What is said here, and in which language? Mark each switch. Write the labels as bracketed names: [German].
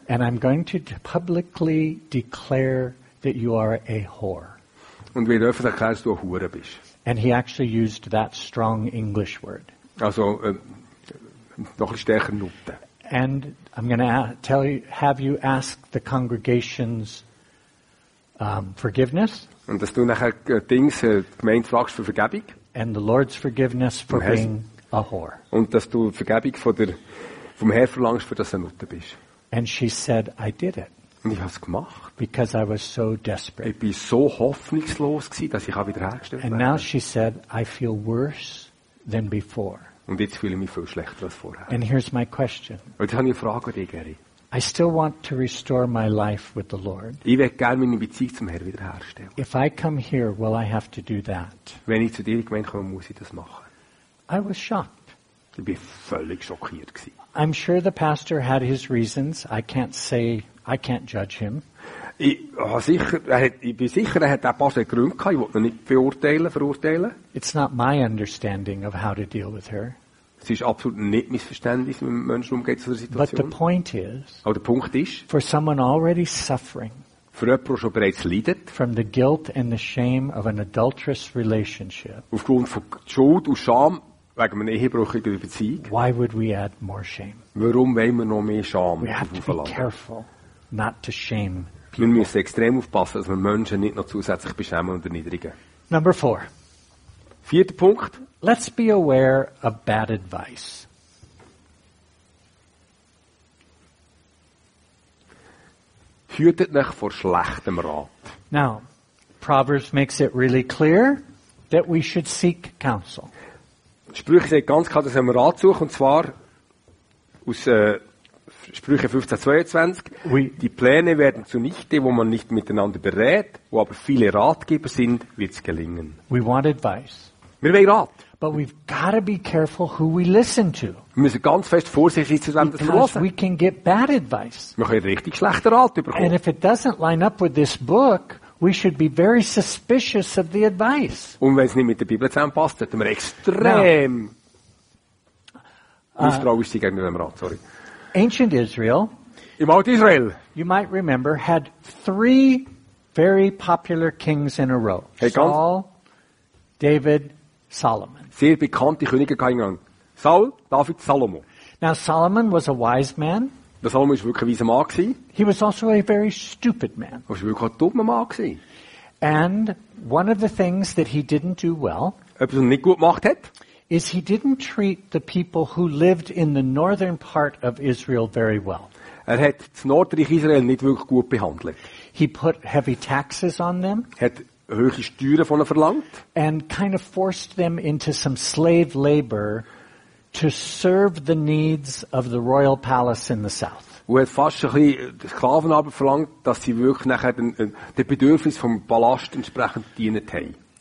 [English] And I'm going to publicly declare that you are a whore. [German] Und ich werde öffentlich erklären, dass du eine Hure bist. [English] And he actually used that strong English word. [German] Also, noch ein stärker Noten. [English] And I'm going to tell you, have you ask the congregation's forgiveness. [German] Und dass du nachher Dings, Gemeinde fragst für Vergebung. [English] And the Lord's forgiveness for being a whore. [German] Und dass du Vergebung vom Herrn verlangst, für dass du eine Nutte bist. [English] And she said, I did it. [German] Und ich habe es gemacht. [English] Because I was so desperate. [German] Ich bin so hoffnungslos gewesen, dass ich auch wieder hergestellt habe. [English] And now she said, I feel worse than before. [German] Und jetzt fühle ich mich viel schlechter als vorher. [English] And here's my question. [German] Und jetzt habe ich eine Frage an dich, Gary. [English] I still want to restore my life with the Lord. [German] Ich will gerne meine Beziehung zum Herrn wiederherstellen. [English] If I come here, will I have to do that? [German] Wenn ich zu dir gemeint komme, muss ich das machen. [English] I was shocked. [German] Ich bin völlig schockiert gewesen. [English] I'm sure the pastor had his reasons. I can't judge him. [German] Ich bin sicher, er hat den Pastor Gründe gehabt. Ich will ihn nicht verurteilen. [English] It's not my understanding of how to deal with her. [German] Es ist absolut nicht mein Verständnis, wie man mit Menschen umgeht zu der Situation. [English] But the point is, [German] aber der Punkt ist, [English] for someone already suffering, [German] für jemanden, der schon bereits leidet, [English] from the guilt and the shame of an adulterous relationship, [German] aufgrund von Schuld und Scham wegen einer ehebrüchigen Beziehung, [English] why would we add more shame? [German] Warum wollen wir noch mehr Scham aufladen? Wir müssen extrem aufpassen, dass wir Menschen nicht noch zusätzlich beschämen und erniedrigen. [English] Number 4. [German] Vierter Punkt. [English] Let's be aware of bad advice. [German] Hütet euch vor schlechtem Rat. [English] Now, Proverbs makes it really clear that we should seek counsel. [German] Sprüche sagt ganz klar, dass wir Rat suchen, und zwar aus Sprüche 15:22. Die Pläne werden zunichte, wo man nicht miteinander berät, wo aber viele Ratgeber sind, wird's gelingen. [English] We want advice. [German] Wir wollen Rat. [English] But we've got to be careful who we listen to. [German] Wir müssen ganz fest vorsichtig sein, dass wir hören. [English] We can get bad advice. [German] Wir können richtig schlechten Rat bekommen. [English] And if it doesn't line up with this book, we should be very suspicious of the advice. [German] Und wenn es nicht mit der Bibel zusammenpasst, sollten wir extrem misstrauisch sein gegenüber dem Rat. [English] Sorry. Ancient Israel, [German] im alten Israel, [English] you might remember, had three very popular kings in a row. Saul, David, Solomon. [German] Sehr bekannte Könige gingen. Saul, David, Salomo. [English] Now Solomon was a wise man. [German] Der Salomo war wirklich ein weiser Mann gewesen. [English] He was also a very stupid man. [German] Er war wirklich ein dummer Mann gewesen. [English] And one of the things that he didn't do well, [German] etwas, was er nicht gut gemacht hat, [English] is he didn't treat the people who lived in the northern part of Israel very well. [German] Er hat das Nordreich Israel nicht wirklich gut behandelt. [English] He put heavy taxes on them. [German] Hat höhere Steuern von ihnen verlangt. [English] And kind of forced them into some slave labor to serve the needs of the royal palace in the south. [German] Und hat fast ein bisschen Sklavenarbeit verlangt, dass sie wirklich nachher den Bedürfnis vom Palast entsprechend dienen haben.